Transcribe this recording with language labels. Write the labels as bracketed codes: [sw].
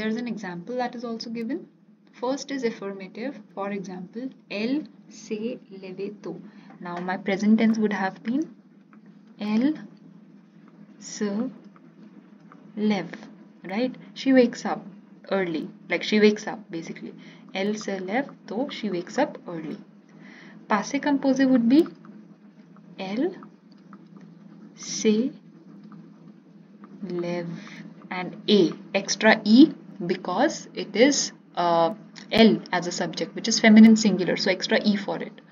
[en] There's an example that is also given. First is affirmative, for example, [fr] elle se levait tôt. [en] Now my present tense would have been [fr] elle se lève, [en] right? She wakes up early, like she wakes up basically. [fr] Elle se lève tôt, [en] she wakes up early. Passé composé would be [fr] elle se lève, [en] and a extra e because it is l as a subject, which is feminine singular, so extra e for it.